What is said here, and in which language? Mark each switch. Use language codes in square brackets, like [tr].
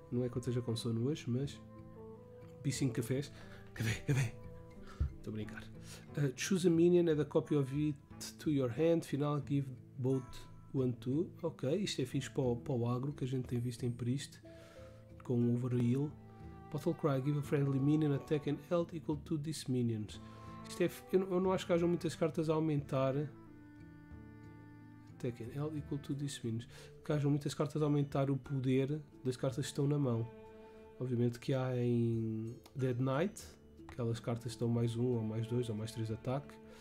[pt] Não é que eu esteja com sono hoje, mas. Pi 5 cafés. Cadê? Estou a brincar. [en] Choose a minion, add a copy of it to your hand, final, give both 1-2. [pt] Ok, isto é fixe para o agro que a gente tem visto em Priest com overheal. [en] Bottle Cry, give a friendly minion attack and health equal to this minion's. [pt] Isto é, eu não acho que hajam muitas cartas a aumentar. [en] Attack and health equal to this minion's. [pt] Que hajam muitas cartas a aumentar o poder das cartas que estão na mão. Obviamente que há em Dead Knight, aquelas cartas estão mais 1 ou mais 2 ou mais 3 ataque.